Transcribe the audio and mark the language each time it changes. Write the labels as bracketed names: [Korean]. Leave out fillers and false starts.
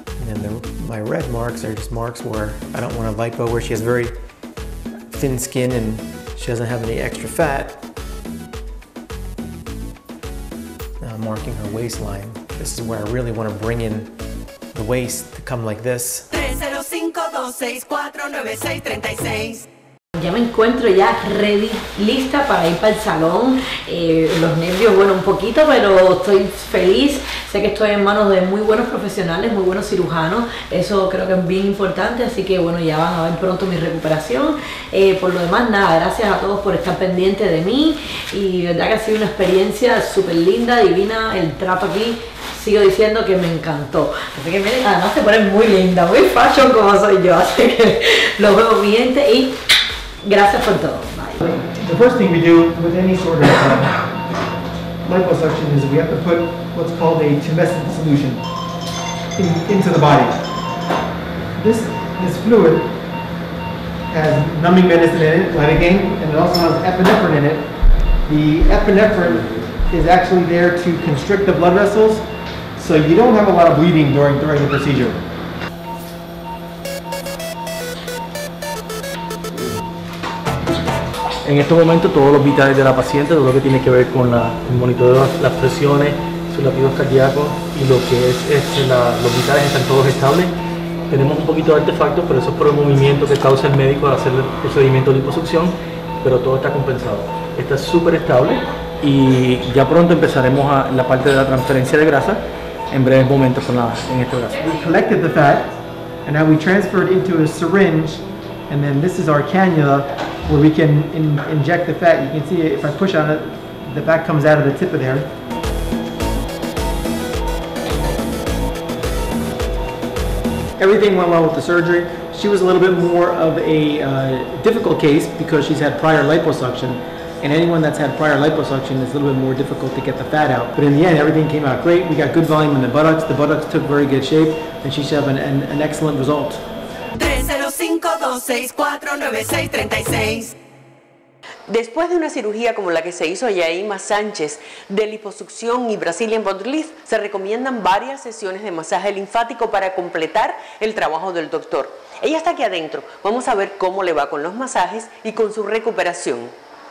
[English] And then my red marks are just marks where I don't want a lipo, where she has very thin skin and she doesn't have any extra fat. Now I'm marking her waistline. This is where I really want to bring in the waist to come like this. [Spanish] 305-264-9636. Ya me encuentro ya ready, lista para ir para el salón. Los nervios, bueno, un poquito, pero estoy feliz. Sé que estoy en manos de muy buenos profesionales, muy buenos cirujanos. Eso creo que es bien importante, así que bueno, ya van a ver pronto mi recuperación. Por lo demás, nada, gracias a todos por estar pendientes de mí. Y verdad que ha sido una experiencia súper linda, divina. El trato aquí, sigo diciendo que me encantó. Así que miren, además se pone muy linda, muy fashion como soy yo. Así que los veo pendientes y gracias por todo. Bye. [English] The first thing we do with any sort of liposuction is we have to put what's called a tumescent solution into the body. This fluid has numbing medicine in it, lidocaine, and it also has epinephrine in it. The epinephrine is actually there to constrict the blood vessels, so you don't have a lot of bleeding during the procedure. [Spanish] En este momento, todos los vitales de la paciente, todo lo que tiene que ver con el monitoreo de las presiones, su latido cardíaco y lo que es los vitales están todos estables. Tenemos un poquito de artefactos, pero eso es por el movimiento que causa el médico al hacer el procedimiento de liposucción, pero todo está compensado. Está súper estable y ya pronto empezaremos a la parte de la transferencia de grasa en breves momentos en este brazo. [English] We collected the fat and now we transferred into a syringe and then this is our cannula where we can inject the fat. You can see if I push on it, the fat comes out of the tip of there. Everything went well with the surgery. She was a little bit more of a difficult case because she's had prior liposuction. And anyone that's had prior liposuction is a little bit more difficult to get the fat out. But in the end, everything came out great. We got good volume in the buttocks. The buttocks took very good shape. And she should have an excellent result. 305-264-9636. 1-800-649-6636. [Spanish] Después de una cirugía como la que se hizo a Yaima Sánchez de liposucción y Brazilian Butt Lift, se recomiendan varias sesiones de masaje linfático para completar el trabajo del doctor. Ella está aquí adentro. Vamos a ver cómo le va con los masajes y con su recuperación.